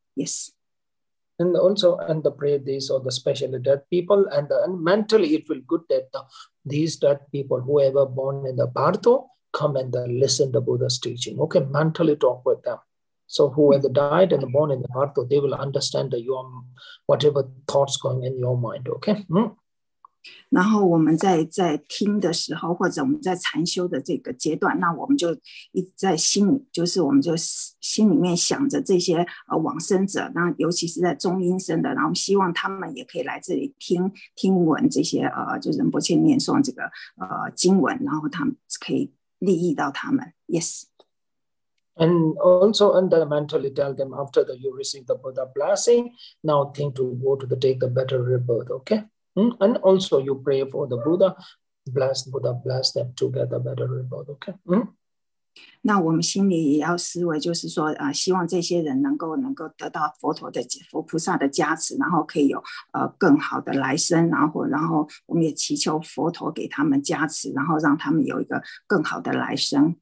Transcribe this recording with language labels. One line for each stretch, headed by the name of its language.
English: Yes. And also, and the pray these or the specially dead people, and mentally it will good that these dead people, whoever born in the Bhartho, come and listen to Buddha's teaching. Okay, mentally talk with them. So whoever died and born in the Bhartho, they will understand your whatever thoughts going in your mind. Okay.
Chinese: 然后我们在听的时候，或者我们在禅修的这个阶段，那我们就一直在心里，就是我们就心里面想着这些往生者，那尤其是在中阴身的，然后希望他们也可以来这里听听闻这些就是仁波切念诵这个经文，然后他们可以利益到他们。
English: Yes. And also, and then mentally tell them after that you receive the Buddha blessing, now think to go to the take the better rebirth. Okay. And also you pray for the Buddha, bless them to get a better reward, okay?、Mm?
Chinese: 那我们心里也要思维就是说、希望这些人能够得到佛陀的佛菩萨的加持，然后可以有、更好的来生，然后我们也祈求佛陀给他们加持，然后让他们有一个更好的来生。